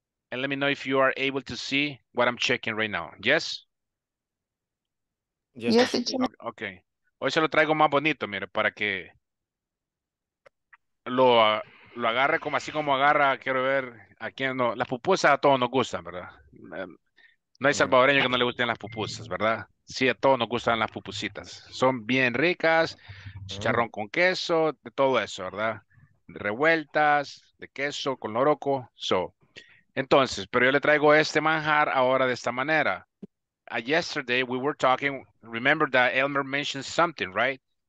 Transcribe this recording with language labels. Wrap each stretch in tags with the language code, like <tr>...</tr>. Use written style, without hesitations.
<en>And let me know if you are able to see what I'm checking right now. Yes? Yes. Okay.</en> <es>Hoy se lo traigo más bonito, mire, para que lo agarre como así como agarra, quiero ver a quién no. Las pupusas a todos nos gustan, ¿verdad? No hay salvadoreño que no le gusten las pupusas, ¿verdad? Sí, a todos nos gustan las pupusitas. Son bien ricas, chicharrón con queso, de todo eso, ¿verdad? De revueltas, de queso, con loroco, so. Entonces, pero yo le traigo este manjar ahora de esta manera.</es> <en>Yesterday we were talking, remember that Elmer mentioned something, right?</en>